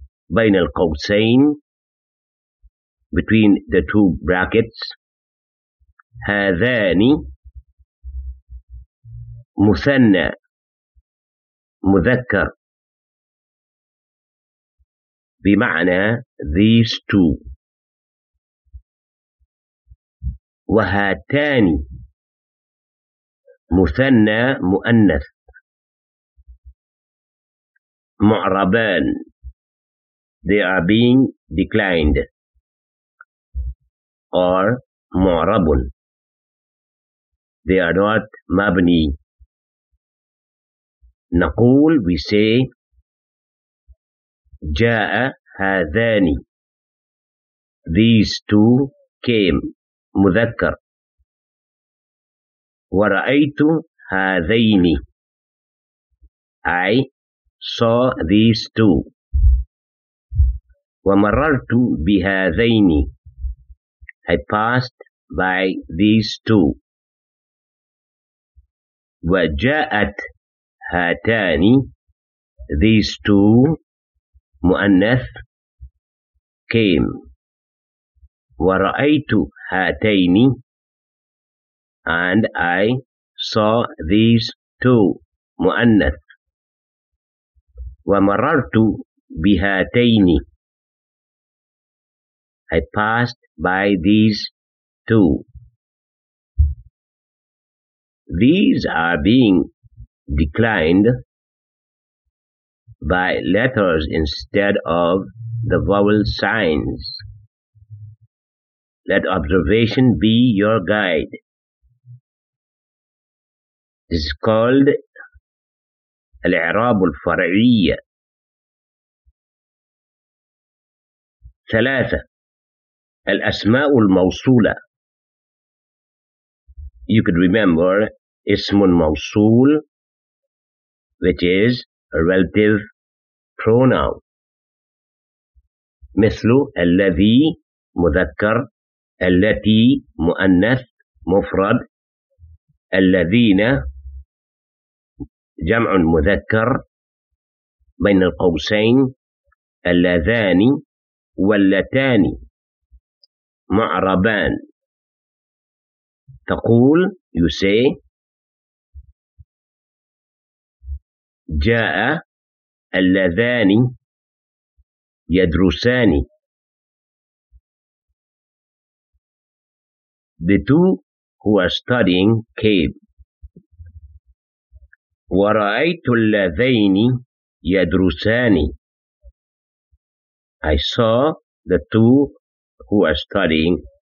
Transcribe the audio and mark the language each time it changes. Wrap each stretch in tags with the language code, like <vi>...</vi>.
<ar>بين القوسين</ar> <en>between the two brackets</en> <ar>هذان مثنى مذكر بمعنى</ar> <en>these two.</en> <ar>وهاتان مثنى مؤنث معربان</ar> <en>they are being declined or</en> <ar>معرب</ar> <en>they are not</en> <ar>مبني. نقول</ar> <en>we say</en> <ar>جاء هذان</ar> <en>these two came</en> <ar>مذكر. ورأيت هذين</ar> <en>I saw these two.</en> <ar>ومررت بهذين</ar> <en>I passed by these two.</en> <ar>وجاءت هاتان</ar> <en>these two</en> <ar>مؤنث</ar> <en>came.</en> <ar>ورأيت هاتين</ar> <en>and I saw these two</en> <ar>مؤنث. ومررت بهاتين.</ar> <en>I passed by these two. These are being declined by letters instead of the vowel signs. Let observation be your guide. This is called</en> <ar>الإعراب الفرعية. ثلاثة الأسماء الموصولة.</ar> <en>You could remember</en> <ar>اسم موصول,</ar> <en>which is a relative pronoun.</en> <ar>مثل الذي مذكر, التي مؤنث مفرد, الذين جمع مذكر, بين القوسين اللذان واللتان معربان. تقول</ar> <en>you say</en> <ar>جاء اللذان يدرسان.</ar> <en>The two who are studying came.</en> <ar>ورأيت اللذين يدرسان.</ar> <en>I saw the two who are studying.</en>